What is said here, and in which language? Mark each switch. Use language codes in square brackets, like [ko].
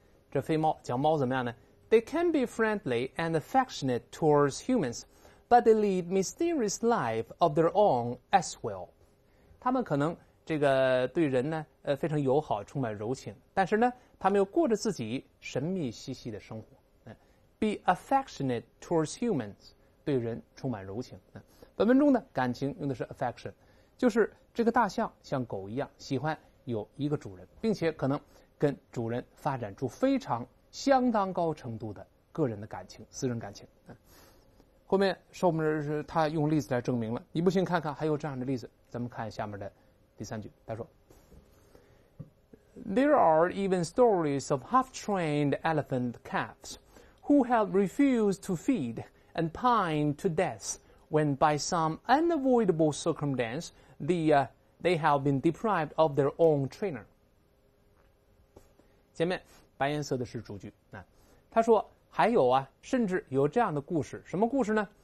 [zh] 这飞猫讲猫怎么样呢 [en] ？They can be friendly and affectionate towards humans, but they lead mysterious life of their own as well. [zh] 他们可能这个对人呢，非常友好，充满柔情，但是呢，他们又过着自己神秘兮兮的生活。 [en] Be affectionate towards humans， [zh] 对人充满柔情。本文中呢，感情用的是 affection， 就是这个大象像狗一样，喜欢有一个主人，并且可能跟主人发展出非常相当高程度的个人的感情，私人感情。后面说我们是他用例子来证明了，你不信看看还有这样的例子。咱们看下面的第3句，他说 [en] There are even stories of half-trained elephant calves who have refused to feed and pined to death when by some unavoidable circumstance they have been deprived of their own trainer。 [zh] 前面白颜色的是主句，他说还有啊，甚至有这样的故事，什么故事呢？